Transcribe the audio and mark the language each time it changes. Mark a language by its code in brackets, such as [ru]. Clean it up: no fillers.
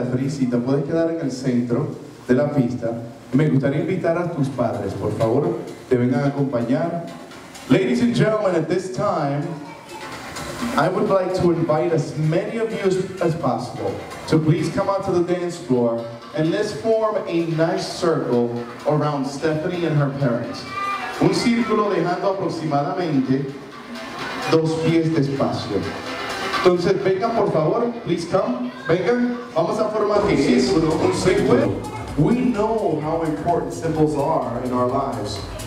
[es] Si te puedes quedar en el centro de la pista, me gustaría invitar a tus padres, por favor, te vengan a acompañar. [en] Ladies and gentlemen, at this time, I would like to invite as many of you as possible to please come out to the dance floor and let's form a nice circle around Stephanie and her parents. [es] Un círculo dejando aproximadamente 2 pies de espacio. Entonces, vengan, por favor, [en] please come. [es] Venga, vamos a formar un círculo, un círculo. [en] We know how important symbols are in our lives.